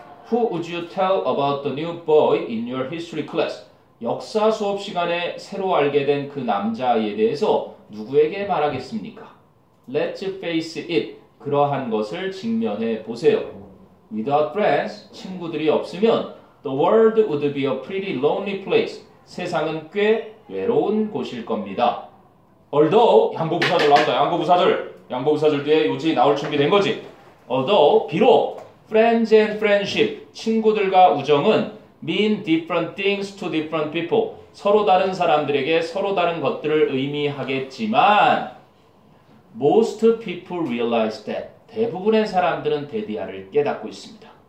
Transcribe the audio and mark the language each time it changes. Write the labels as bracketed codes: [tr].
[en] Who would you tell about the new boy in your history class? [ko] 역사 수업 시간에 새로 알게 된 그 남자아이에 대해서 누구에게 말하겠습니까? [en] Let's face it. [ko] 그러한 것을 직면해 보세요. [en] Without friends, [ko] 친구들이 없으면 [en] the world would be a pretty lonely place. [ko] 세상은 꽤 외로운 곳일 겁니다. Although, 양보부사절 나온다. 양보부사절. 양보부사절 뒤에 요지 나올 준비된 거지. [en] Although, 비록 Friends and friendship, [ko] 친구들과 우정은 [en] mean different things to different people, [ko] 서로 다른 사람들에게 서로 다른 것들을 의미하겠지만 [en] most people realize that, [ko] 대부분의 사람들은 대디아를 깨닫고 있습니다.